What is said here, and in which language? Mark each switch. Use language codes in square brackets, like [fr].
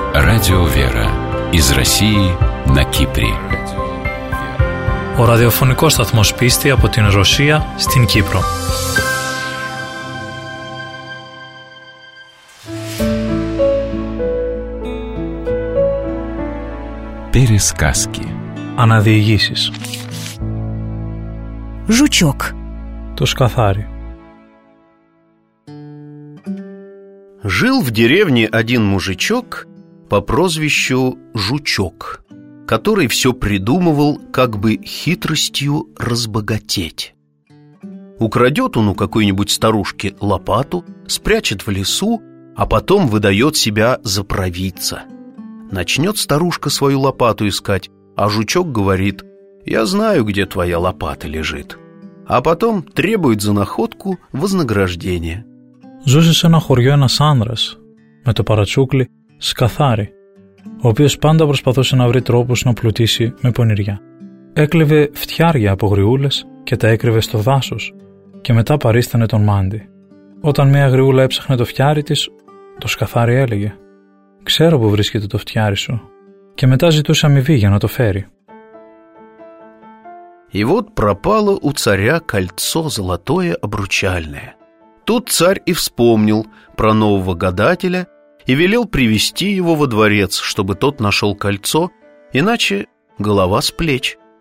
[ru] Радио Вера из России на Кипре. [el] Ο ραδιοφωνικός σταθμός πίστη από την Ρωσία στην Κύπρο. [ru] Пересказки. [el] Αναδιηγήσεις. [ru] Ζουτσιόκ. [el] Το σκαθάρι. [ru] Жил в деревне один мужичок по прозвищу Жучок, который все придумывал, как бы хитростью разбогатеть. Украдет он у какой-нибудь старушки лопату, спрячет в лесу, а потом выдает себя за провидца. Начнет старушка свою лопату искать, а Жучок говорит: «Я знаю, где твоя лопата лежит». А потом требует за находку вознаграждение. [el] Ζούσε σε ένα χωριό ένας άνδρας με το παρατσούκλι Σκαθάρι, ο οποίος πάντα προσπαθούσε να βρει τρόπους να πλουτίσει με πονηριά. Έκλεβε φτιάρια από γριούλες και τα έκρυβε στο δάσος και μετά παρίστανε τον μάντι. Όταν μια γριούλα έψαχνε το φτιάρι της, το Σκαθάρι έλεγε: «Ξέρω που βρίσκεται το φτιάρι σου», και μετά ζητούσε αμοιβή για να το φέρει. [ru] «И вот пропало у царя кольцо золотое обручальное». Тут царь и вспомнил про нового гадателя и велел привести его во дворец, чтобы тот нашел кольцо, иначе голова с плеч.